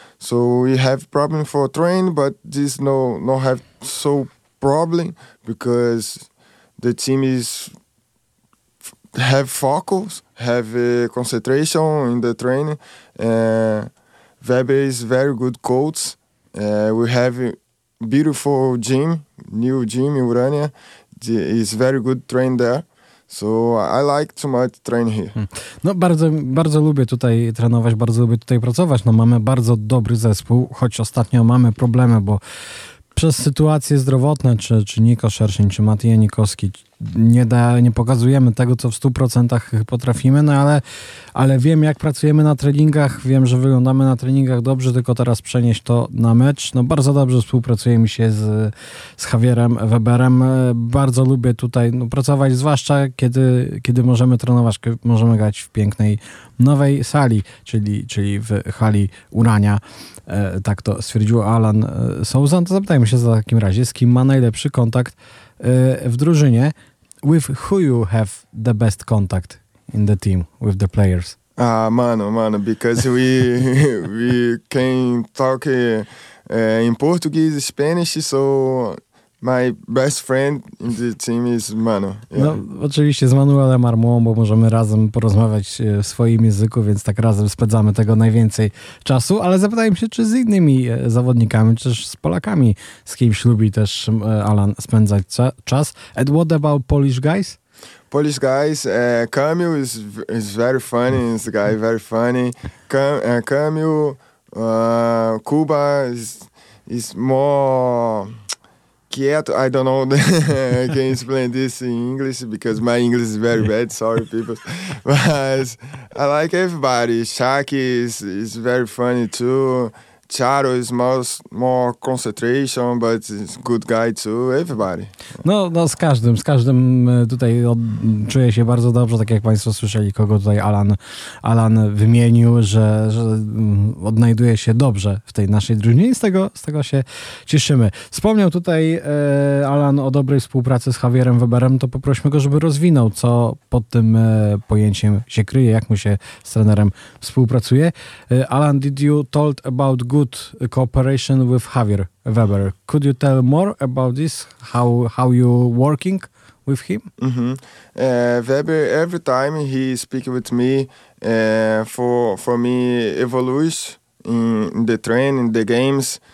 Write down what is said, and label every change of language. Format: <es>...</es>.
<en>So we have problem for train, but this no have so problem because the team is have focus, have concentration in the training. Weber is very good coach. We have a beautiful gym, new gym in Urania. It's very good train there. So I like too much train here.</en> <pl>No bardzo lubię tutaj trenować, bardzo lubię tutaj pracować. No mamy bardzo dobry zespół, choć ostatnio mamy problemy, bo przez sytuacje zdrowotne, czy Niko Szerszyń, czy Mati Janikowski, nie pokazujemy tego, co w 100% potrafimy, no ale wiem, jak pracujemy na treningach, wiem, że wyglądamy na treningach dobrze, tylko teraz przenieść to na mecz. No bardzo dobrze współpracuje mi się z Javierem Weberem. Bardzo lubię tutaj pracować, zwłaszcza kiedy możemy trenować, możemy grać w pięknej nowej sali, czyli w hali Urania. Tak to stwierdził Alan Sousa. To zapytajmy się w takim razie, z kim ma najlepszy kontakt w drużynie.</pl> <en>With who you have the best contact in the team with the players? Mano, because we we can talk in Portuguese, Spanish, so my best friend in the team is Mano. Yeah.</en> <pl>No, oczywiście z Manuelem Armą, bo możemy razem porozmawiać w swoim języku, więc tak razem spędzamy tego najwięcej czasu, ale zapytałem się, czy z innymi zawodnikami, czy też z Polakami, z kimś lubi też Alan spędzać czas.</pl> <en>And what about Polish guys? Polish guys, Kamil is very funny, this guy very funny. Kamil, Kuba is more quieto, I don't know. I can explain this in English because my English is very bad. Sorry, people. But I like everybody. Shaki is very funny too. Charo is more concentration, but is good guy to everybody.</en> <pl>No z każdym tutaj czuję się bardzo dobrze, tak jak Państwo słyszeli, kogo tutaj Alan wymienił, że odnajduje się dobrze w tej naszej drużynie i z tego się cieszymy. Wspomniał tutaj Alan o dobrej współpracy z Javierem Weberem, to poprośmy go, żeby rozwinął, co pod tym pojęciem się kryje, jak mu się z trenerem współpracuje.</pl> <en>Alan, did you told about good cooperation with Javier Weber. Could you tell more about this? How you working with him? Weber, every time he speak with me for me evolves in the training, the games.</en>